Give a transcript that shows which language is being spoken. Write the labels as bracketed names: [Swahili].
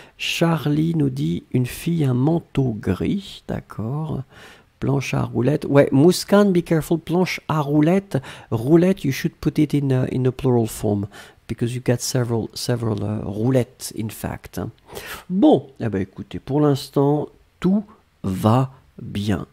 [French] Charlie nous dit une fille, un manteau gris, d'accord. Planche à roulette, ouais, mouscan, [English] be careful, [French] planche à roulette. [English] Roulette, you should put it in a plural form, because you've got several roulettes, in fact. [French] Bon, eh ben écoutez, pour l'instant, tout va bien.